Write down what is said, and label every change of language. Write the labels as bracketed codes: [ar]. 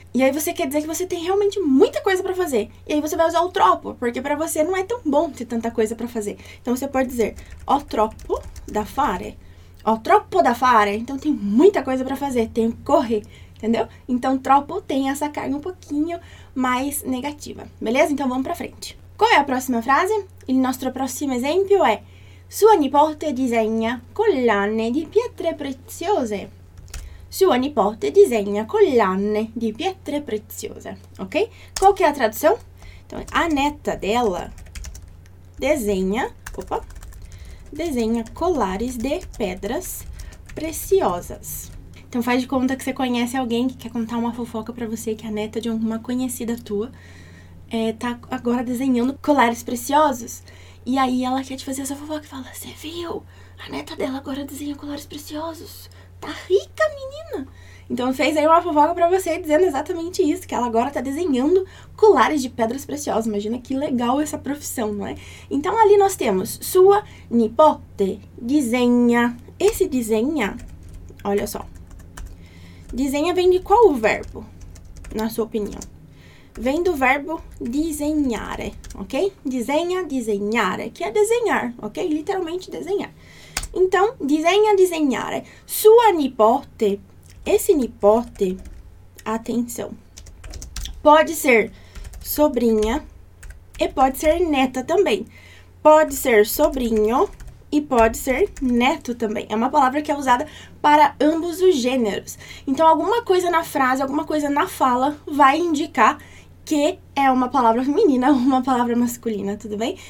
[pt] E aí você quer dizer que você tem realmente muita coisa para fazer. E aí você vai usar o troppo, porque para você não é tão bom ter tanta coisa para fazer. Então você pode dizer: [it] ho troppo da fare. Ho troppo da fare. [pt] Então tem muita coisa para fazer, tenho que correr, entendeu? Então troppo tem essa carga um pouquinho mais negativa. Beleza? Então vamos para frente. Qual é a próxima frase? [it] Il nostro prossimo esempio è: sua nipote disegna collane di pietre preziose. Sua nipote disegna collane di pietre preziose. [pt] Ok? Qual que é a tradução? Então, a neta dela desenha, opa, desenha colares de pedras preciosas. Então, faz de conta que você conhece alguém que quer contar uma fofoca para você, que é a neta de uma conhecida tua. Tá agora desenhando colares preciosos. E aí ela quer te fazer essa fofoca e fala: você viu? A neta dela agora desenha colares preciosos. Tá rica, menina! Então fez aí uma fofoca pra você dizendo exatamente isso, que ela agora tá desenhando colares de pedras preciosas. Imagina que legal essa profissão, não é? Então ali nós temos: sua nipote desenha. Esse desenha, olha só. Desenha vem de qual verbo, na sua opinião? Vem do verbo disegnare, ok? Disegna, disegnare, que é desenhar, ok? Literalmente desenhar. Então, disegna, disegnare. Sua nipote, esse nipote, atenção, pode ser sobrinha e pode ser neta também. Pode ser sobrinho e pode ser neto também. É uma palavra que é usada para ambos os gêneros. Então, alguma coisa na frase, alguma coisa na fala vai indicar que é uma palavra feminina ou uma palavra masculina, tudo bem?